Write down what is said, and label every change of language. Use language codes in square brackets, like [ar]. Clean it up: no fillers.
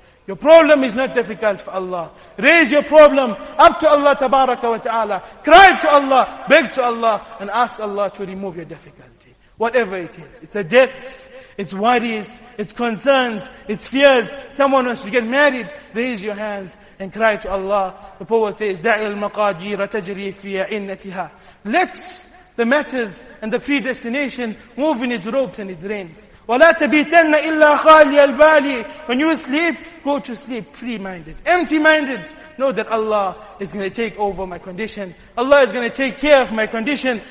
[en] Your problem is not difficult for Allah. Raise your problem up to Allah tabaraka wa ta'ala. Cry to Allah, beg to Allah, and ask Allah to remove your difficulty. Whatever it is. It's a debt, its worries, its concerns, its fears. Someone wants to get married. Raise your hands and cry to Allah. The poet says, [ar] دَعِي الْمَقَاجِيرَ تَجْرِي فِي عِنَّتِهَا. [en] Let the matters and the predestination move in its ropes and its reins. [ar] وَلَا تَبِيتَنَّ إِلَّا خَالِيَ الْبَالِ. [en] When you sleep, go to sleep free-minded, empty-minded. Know that Allah is going to take over my condition. Allah is going to take care of my condition.